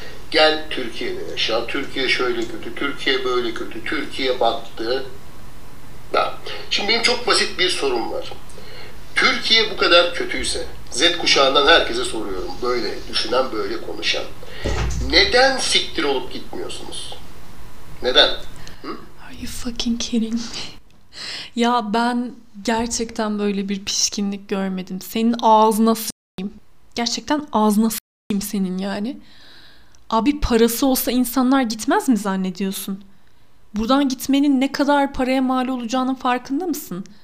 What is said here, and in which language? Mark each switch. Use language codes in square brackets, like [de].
[tr] Gel Türkiye'de yaşa, Türkiye şöyle kötü, Türkiye böyle kötü, Türkiye battı. Ha. Şimdi benim çok basit bir sorum var. Türkiye bu kadar kötüyse, Z kuşağından herkese soruyorum, böyle düşünen, böyle konuşan. Neden siktir olup gitmiyorsunuz? Neden? [en] Are you fucking kidding me? [tr] Ya ben gerçekten böyle bir pişkinlik görmedim. Senin ağzına s***yim. Gerçekten ağzına s***yim senin yani. Abi parası olsa insanlar gitmez mi zannediyorsun? Buradan gitmenin ne kadar paraya mal olacağının farkında mısın?